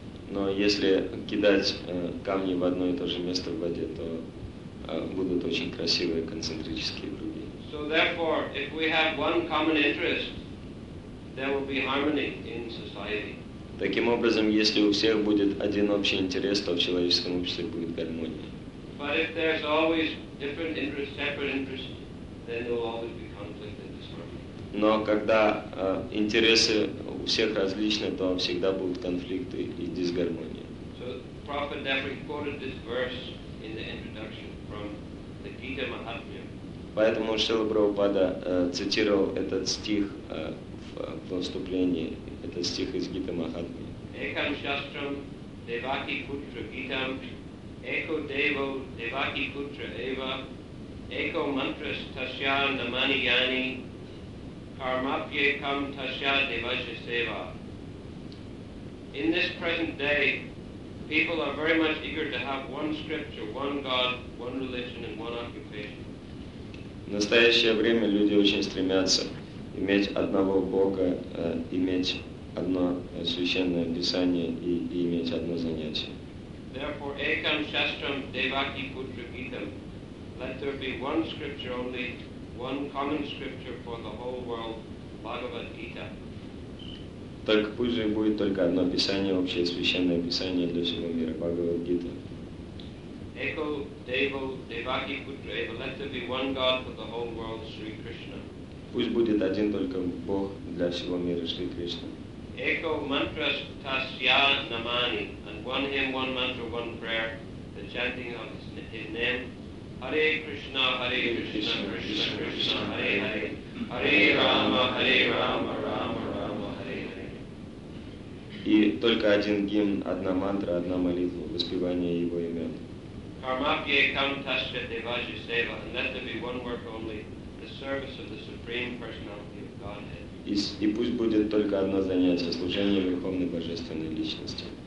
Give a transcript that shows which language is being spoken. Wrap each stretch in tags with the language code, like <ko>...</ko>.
<ru>Но если кидать камни в одно и то же место в воде, то будут очень красивые концентрические круги.</ru> <en>So therefore, if we have one common interest, there will be harmony in society.</en> <ru>Таким образом, если у всех будет один общий интерес, то в человеческом обществе будет гармония.</ru> <en>But if there's always different interests, separate interests, then there will always be conflict and disharmony.</en> <ru>Но когда интересы у всех различны, то всегда будут конфликты и дисгармония.</ru> <en>So Prabhupada therefore quoted this verse in the introduction from the Gita Mahatmya.</en> <ru>Поэтому Шрила Прабхупада цитировал этот стих в вступлении, этот стих из Гита Махатмья.</ru> <sa>Ekam Shastram Devaki Putra Gitam Eko Devo Devaki Putra Eva Eko Mantras Tasya Namani Yani Karmapye Kam Tasya Devasya Seva.</sa> <en>In this present day, people are very much eager to have one scripture, one God, one religion, and one occupation.</en> <ru>В настоящее время люди очень стремятся иметь одного Бога, иметь одно священное писание и иметь одно занятие.</ru> <en>Therefore,</en> <sa>ekam shastram devaki putra gitam.</sa> <en>Let there be one scripture only, one common scripture for the whole world, Bhagavad Gita.</en> <ru>Так пусть же будет только одно писание, общее священное писание для всего мира, Бхагавад Гита.</ru> <sa>Eko devo devaki putra eva.</sa> <en>Let there be one God for the whole world, Sri Krishna.</en> <ru>Пусть будет один только Бог для всего мира, Шри Кришна.</ru> <sa>echo mantras tasya namani,</sa> <en>and one hymn, one mantra, one prayer, the chanting of his name, Hare Krishna, Hare Krishna, Krishna Krishna, Hare Hare, Hare Rama, Hare Rama, Rama Rama, Hare Hare.</en> <ru>И только один гимн, одна мантра, одна молитва, воспевание его имен.</ru> <sa>Karmapye kam tasya devaji seva,</sa> <en>and let there be one work only, the service of the Supreme Personality of Godhead.</en> <ru>И пусть будет только одно занятие — служение Верховной Божественной Личности.</ru>